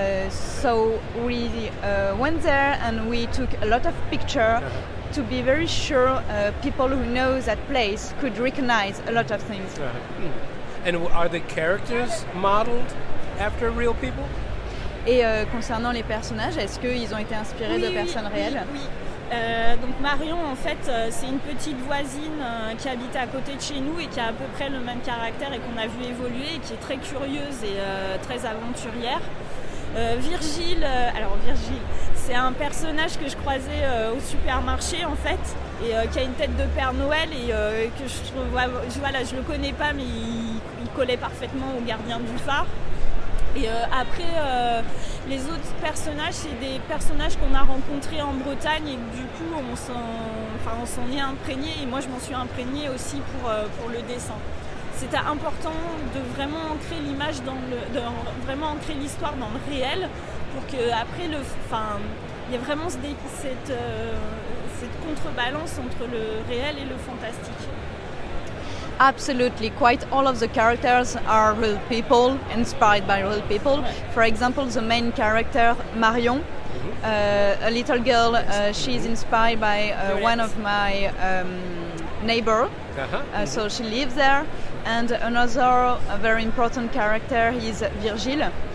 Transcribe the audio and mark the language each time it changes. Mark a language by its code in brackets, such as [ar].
[en] So we went there and we took a lot of pictures to be very sure people who know that place could recognize a lot of things. And are the characters modeled after real people? [fr] Et concernant les personnages, est-ce qu'ils ont été inspirés de personnes réelles? Donc Marion, en fait, c'est une petite voisine qui habite à côté de chez nous et qui a à peu près le même caractère et qu'on a vu évoluer et qui est très curieuse et très aventurière. Virgile, c'est un personnage que je croisais au supermarché en fait et qui a une tête de Père Noël et que je trouve, voilà, je le connais pas, mais il collait parfaitement au gardien du phare. Et après, les autres personnages, c'est des personnages qu'on a rencontrés en Bretagne et du coup on s'en est imprégné, et moi je m'en suis imprégné aussi pour le dessin. C'était important de vraiment ancrer l'image vraiment ancrer l'histoire dans le réel pour que après il y a vraiment cette contrebalance entre le réel et le fantastique. [en] Absolutely, quite all of the characters are real people, inspired by real people. For example, the main character Marion, a little girl, she's inspired by one of my neighbor. So she lives there. And another very important character is Virgil.